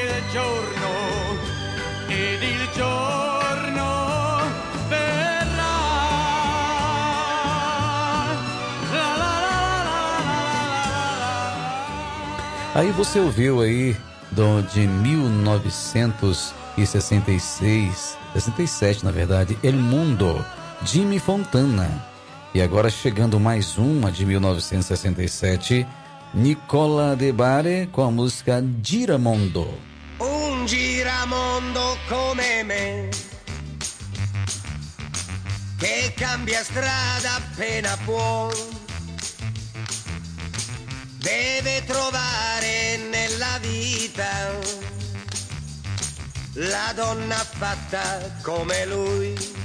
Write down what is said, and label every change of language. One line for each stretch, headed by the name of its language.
Italian: giorno, ed il giorno verrà. La, la, la, la, la, la, la.
Portuguese: Aí você ouviu aí de 1966, 67 na verdade, El Mundo, Jimmy Fontana. E agora chegando mais uma de 1967, Nicola De Bari com a música Giramondo.
Italian: Un giramondo come me, che cambia strada appena può, deve trovare nella vita la donna fatta come lui.